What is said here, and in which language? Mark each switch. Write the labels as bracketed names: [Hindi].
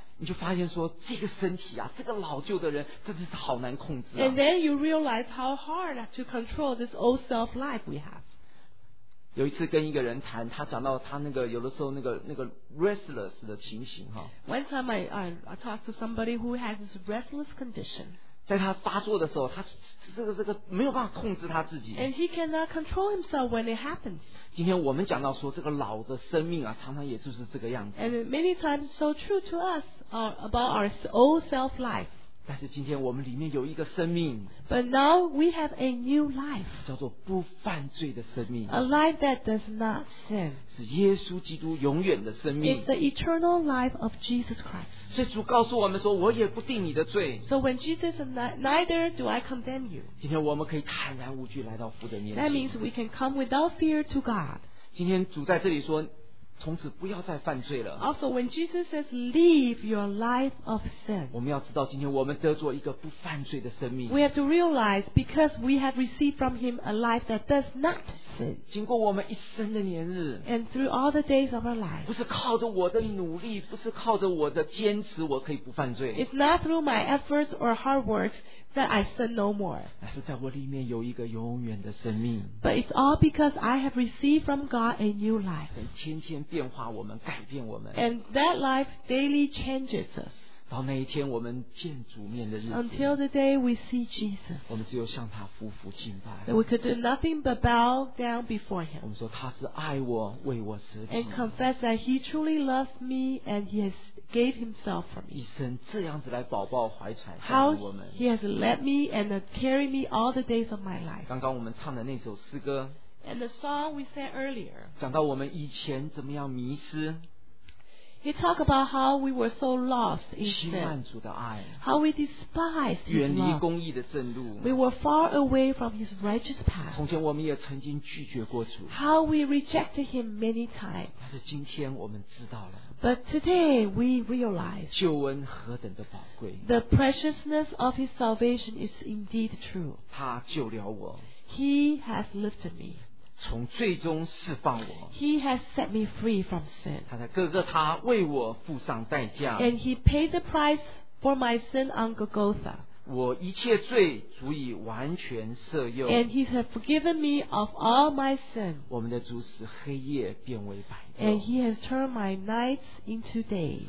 [Chinese] 你就发现说这个身体啊，这个老旧的人真的是好难控制啊。 [English] And then you realize how hard to control this old self life we have. [Chinese] 有一次跟一个人谈，他讲到他那个有的时候那个 restless 的情形哈。 [English] One time I talked to somebody who has this restless condition. [Chinese] 在他发作的时候，他这个没有办法控制他自己。 [English] And he cannot control himself when it happens. [Chinese] 今天我们讲到说这个老的生命啊，常常也就是这个样子。 [English] And many times so true to usabout our old self life. [Chinese] 但是今天我们里面有一个生命， [English] But now we have a new life. [Chinese] 叫做不犯罪的生命， [English] A life that does not sin. [Chinese] 是耶稣基督永远的生命， [English] It's the eternal life of Jesus Christ. [Chinese] 所以主告诉我们说我也不定你的罪， [English] So when Jesus neither do I condemn you. [Chinese] 今天我们可以坦然无惧来到父的面前， [English] That means we can come without fear to God. [Chinese] 今天主在这里说从此不要再犯罪了。 [English] Also when Jesus says leave your life of sin, [Chinese] 我们要知道今天我们得着一个不犯罪的生命。 [English] We have to realize because we have received from him a life that does not sin. [Chinese] 经过我们一生的年日， [English] And through all the days of our life, [Chinese] 不是靠着我的努力，不是靠着我的坚持，我可以不犯罪。 [English] It's not through my efforts or hard works that I sin no more. [Chinese] 乃是在我里面有一个永远的生命。 [English] But it's all because I have received from God a new life. [Chinese] 神天天变化我们，改变我们。 [English] And that life daily changes us. [Chinese] 到那一天我们见主面的日子， [English] Until the day we see Jesus, [Chinese] 我们只有向他俯伏敬拜。 [English] That we could do nothing but bow down before him. [Chinese] 我们说他是爱我，为我舍己。 [English] And confess that he truly loves me and he has gave himself for me. [Chinese] 一生这样子来抱抱怀揣照顾我们。 [English] How he has led me and carried me all the days of my life. [Chinese] 刚刚我们唱的那首诗歌， [English] And the song we sang earlier, [Chinese] 讲到我们以前怎么样迷失。 [English] He talked about how we were so lost in sin. [Chinese] 轻慢主的爱。 [English] How we despised his love. [Chinese] 远离公义的正路。 [English] We were far away from his righteous path. [Chinese] 从前我们也曾经拒绝过主。 [English] How we rejected him many times. [Chinese] 但是今天我们知道了。 [English] But today we realize [Chinese] 救恩何等的宝贵。 [English] The preciousness of his salvation is indeed true. [Chinese] 他救了我。 [English] He has lifted me. [Chinese] 从最终释放我。 [English] He has set me free from sin. [Chinese] 他在哥哥他为我付上代价。 [English] And he paid the price for my sin on Golgotha. [Chinese] 我一切罪足以完全赦宥。 [English] And he has forgiven me of all my sin. [Chinese] 我们的主使黑夜变为白昼。 [English] And he has turned my nights into days.